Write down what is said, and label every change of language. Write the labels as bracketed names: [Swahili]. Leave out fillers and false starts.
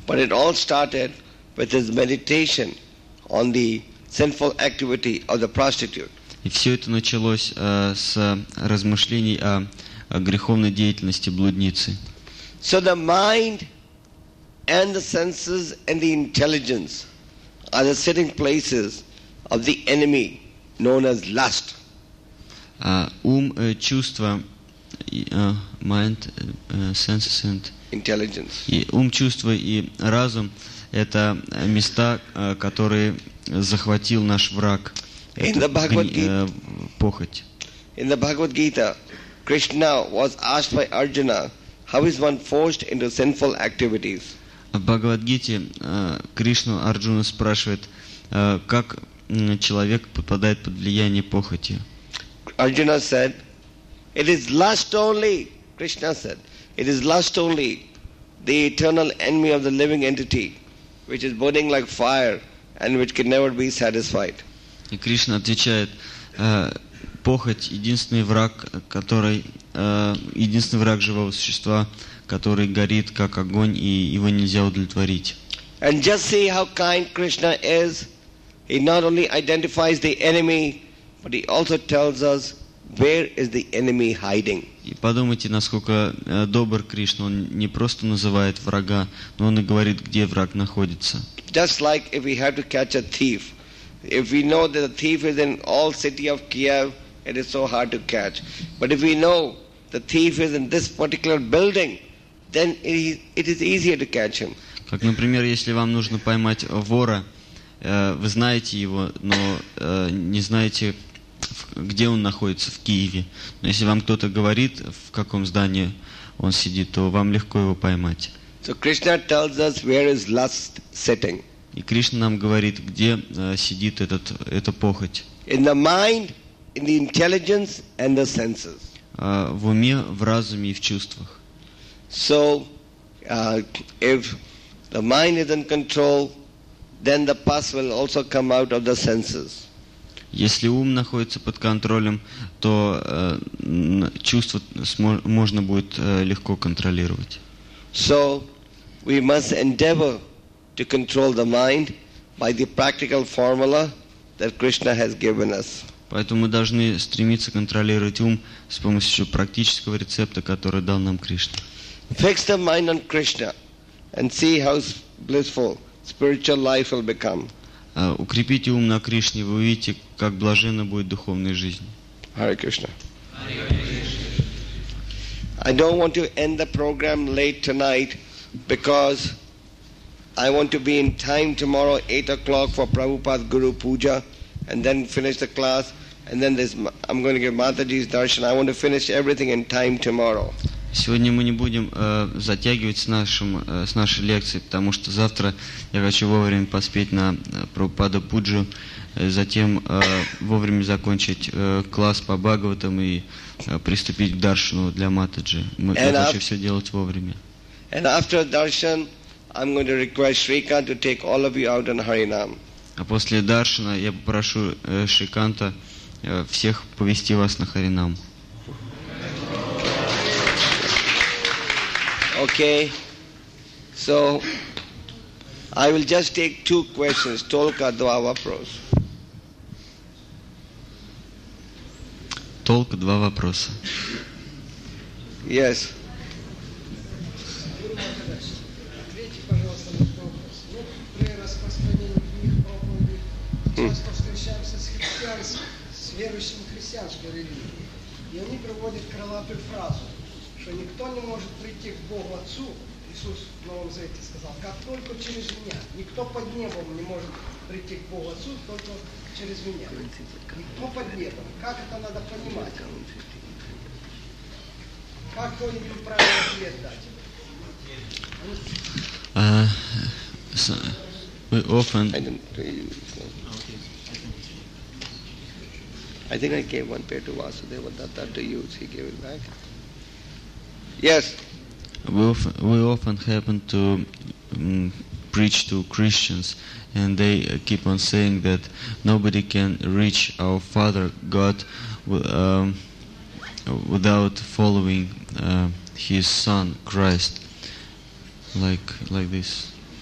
[English] But it all started with his meditation on the sinful activity of the prostitute. [Russian] И все это началось с размышлений о греховной деятельности блудницы. [English] So the mind and the senses and the intelligence are the sitting places of the enemy known as lust. [Russian] Чувства, [English] mind, senses and intelligence. [Russian] Чувства и разум — это места, которые захватил наш враг. [English] In the Bhagavad Gita, Krishna was asked by Arjuna, how is one forced into sinful activities? [Russian] В Бхагавад-гите Кришну Арджуна спрашивает, как человек попадает под влияние похоти. [English] Arjuna said, it is lust only, Krishna said, it is lust only, the eternal enemy of the living entity, which is burning like fire and which can never be satisfied. [Russian] И Кришна отвечает, похоть — единственный враг живого существа, который горит как огонь, и его нельзя удовлетворить. [English] And just see how kind Krishna is. He not only identifies the enemy, but he also tells us where is the enemy hiding. [Russian] И подумайте, насколько добр Кришна. Он не просто называет врага, но он и говорит, где враг находится. [English] Just like if we have to catch a thief. If we know that the thief is in all city of Kiev, it is so hard to catch. But if we know the thief is in this particular building, then it is easier to catch him. [Russian] Как, например, если вам нужно поймать вора, вы знаете его, но не знаете, где он находится в Киеве. Но если вам кто-то говорит, в каком здании он сидит, то вам легко его поймать. [English] So Krishna tells us where is lust sitting. [Russian] И Кришна нам говорит, где сидит эта похоть. [English] In the mind, in the intelligence and the senses. [Russian] В уме, в разуме и в чувствах. [English] So, if the mind is in control, then the pus will also come out of the senses. [Russian] Если ум находится под контролем, то чувства можно будет легко контролировать. [English] So, we must endeavor to control the mind by the practical formula that Krishna has given us. [Russian] Поэтому мы должны стремиться контролировать ум с помощью практического рецепта, который дал нам Кришна. [English] Fix the mind on Krishna and see how blissful spiritual life will become. [Russian] Укрепите ум на Кришне, вы увидите, как блаженна будет духовная жизнь. [Sanskrit] Hare Krishna. Hare Krishna. [English] I don't want to end the program late tonight because I want to be in time tomorrow 8 o'clock for Prabhupada Guru Puja and then finish the class and then I'm going to give Mataji's darshan. I want to finish everything in time tomorrow. [Russian] Сегодня мы не будем затягивать с нашей лекцией, потому что завтра я хочу вовремя поспеть на Прабхупада Пуджу, затем вовремя закончить класс по Бхагаватам и приступить к даршану для Матаджи. Я хочу все делать вовремя. [English] And after darshan, I'm going to request Shrikant to take all of you out on Harinam. [Russian] А после даршана я попрошу Шриканта всех повести вас на Харинам. [English] Okay, so I will just take two questions. [Russian] Tolka два вопроса. Tolka два вопроса. [English] Yes. [Russian] Ответьте, пожалуйста, на вопрос. Вот при распространении книг проповеди часто встречаемся с христианством, с верующими христианской религией. И они проводят крылатую фразу, что никто не может прийти к Богу Отцу, Иисус в Новом Завете сказал, как только через меня. Никто под небом не может прийти к Богу Отцу, только через меня. Никто под небом. Как это надо понимать? Как кто-нибудь правильный ответ дать? [English] We often. I think I gave one pair to Vasudeva Datta to you. He gave it back. Yes. We often happen to preach to Christians, and they keep on saying that nobody can reach our Father God without following His Son Christ, like this.